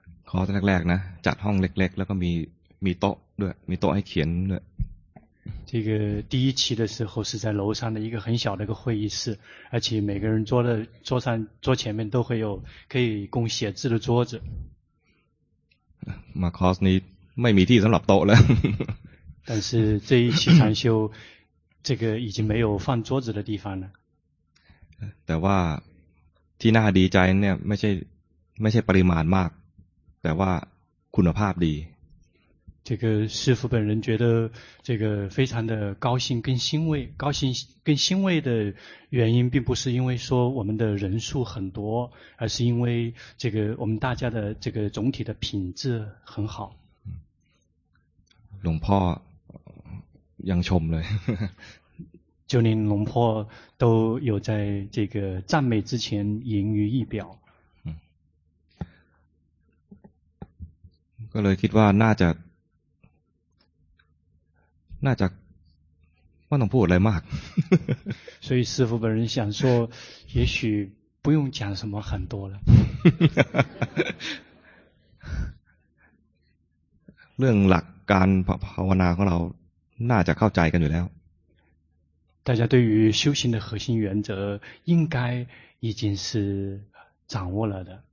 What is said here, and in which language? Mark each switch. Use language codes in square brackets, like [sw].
[th] ขอแรกๆนะจัดห้องเล็กๆแล้วก็มีโต๊ะด้วยมีโต๊ะให้เขียนด้วย [zh] 这个第一期的时候是在楼上的一个很小的一个会议室而且每个人桌的桌上桌前面都会有可以供写字的桌子 [th] มาคอสนี้ไม่มีที่สำหรับโต๊ะแล้ว [zh] 但是这一期禅修这个已经没有放桌子的地方了 [th] แต่ว่าที่น่าดีใจเนี่ยไม่ใช่ปริมาณมากแต่ว่าคุณภาพดี [zh] 这个师父本人觉得这个非常的高兴跟欣慰高兴跟欣慰的原因并不是因为说我们的人数很多而是因为这个我们大家的这个总体的品质很好 [th] หลวงพ่อยังชมเลย [zh] 就连龙婆都有在这个赞美之前盈于一表 [th] ก็เลยคิดว่าน่าจะไม่ต้องพูดอะไรมาก [zh] 所以师父本人想说也许不用讲什么很多了 [th] เรื่องหลักการภาวนาของเราน่าจะเข้าใจกันอยู่แล้ว [zh] 大家对于修行的核心原则应该已经是掌握了的